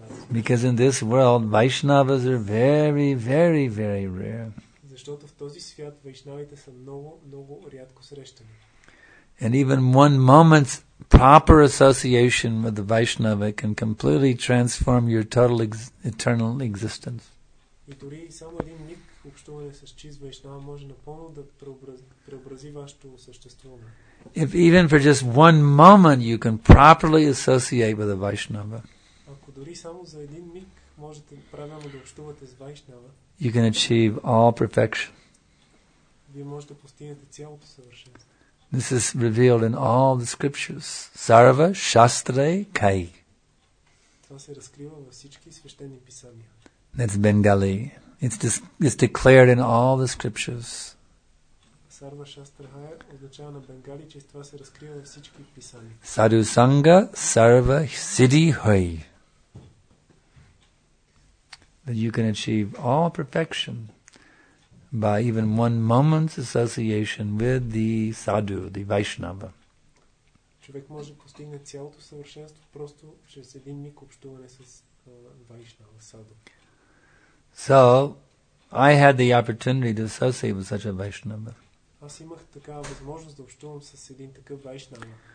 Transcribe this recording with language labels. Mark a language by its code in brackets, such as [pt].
[en] Because in this world, Vaishnavas are very, very, very rare. [bg] Защото в този свят вайшнавите са много, много рядко срещани. [en] And even one moment's proper association with the Vaishnava can completely transform your total eternal existence. [bg] И дори само един миг общуване с чист вайшнава може напълно да преобрази вашето съществуване. [en] If even for just one moment you can properly associate with the Vaishnava. [bg] Ако дори само за един миг можете правилно да общувате с вайшнава. [en] You can achieve all perfection. [bg] Вие можете да постигнете цялото съвършенство. [en] This is revealed in all the scriptures. [bn] Sarva, Shastre, Kai. [bg] Това се разкрива във всички свещени писания. [en] That's Bengali. It's declared in all the scriptures. [bg] Sarva Shastra означава на Бенгали, че това се разкрива във всички писания. [bn] Sadhu Sangha, Sarva, Siddhi Hoy. [en] That you can achieve all perfection by even one moment's association with the sadhu, the Vaishnava. [bg] Човек може да постигне цялото съвършенство просто чрез един миг общуване с Вайшнава, саду. [en] So, I had the opportunity to associate with such a Vaishnava. [bg] Аз имах такава възможност да общувам с един такъв Вайшнава.